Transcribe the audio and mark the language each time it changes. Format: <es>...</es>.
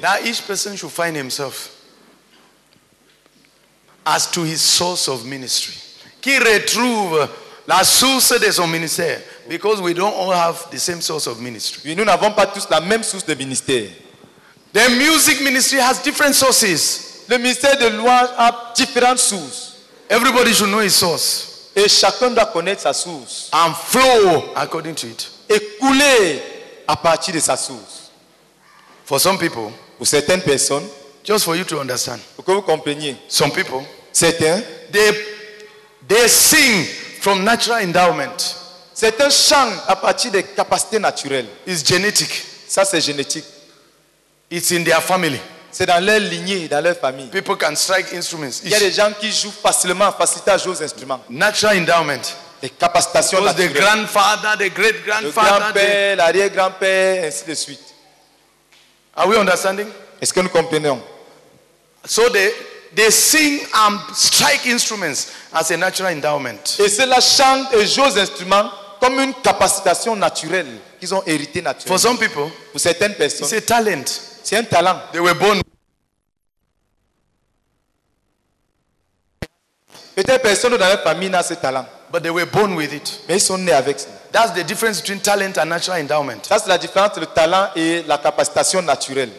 <en>That each person should find himself as to his source of ministry.</en> <fr>Qui retrouve la source de son ministère.</fr> <en>Because we don't all have the same source of ministry.</en> <fr>Et nous n'avons pas tous la même source de ministère.</fr> <en>The music ministry has different sources.</en> <fr>Le ministère de louange a différentes sources.</fr> <en>Everybody should know his source.</en> <fr>Et chacun doit connaître sa source.</fr> <en>And flow according to it.</en> <fr>Et couler à partir de sa source.</fr> <en>For some people,</en> <fr>pour certaines personnes,</fr> <en>just for you to understand,</en> <fr>pour que vous compreniez,</fr> <en>some people,</en> <fr>certains,</fr> <en>they sing from natural endowment.</en> <fr>Certains chantent à partir des capacités naturelles.</fr> <en>It's genetic.</en> <fr>Ça c'est génétique.</fr> <en>It's in their family.</en> <fr>C'est dans leur lignée, dans leur famille.</fr> <en>People can strike instruments.</en> <fr>Il y a des gens qui jouent facilité à jouer aux instruments.</fr> <en>Natural endowment.</en> <fr>Les capacitations naturelles.</fr> <en>The grandfather, the great grandfather,</en> <fr>le grand-père, l'arrière-grand-père, ainsi de suite.</fr> <en>Are we understanding?</en> <fr>Est-ce que nous comprenons?</fr> <en>So they sing and strike instruments as a natural endowment.</en> <fr>Et cela chante et joue aux instruments comme une capacitation naturelle qu'ils ont hérité naturellement.</fr> <en>For some people,</en> <fr>pour certaines personnes,</fr> <en>it's a talent.</en> <fr>C'est un talent.</fr> <en>They were born.</en> <fr>Peut-être personne dans leur famille n'a ce talent.</fr> <en>But they were born with it.</en> <fr>Mais ils sont nés avec ça.</fr> <en>That's the difference between talent and natural endowment.</en> <fr>Ça c'est la différence entre le talent et la capacitation naturelle.</fr>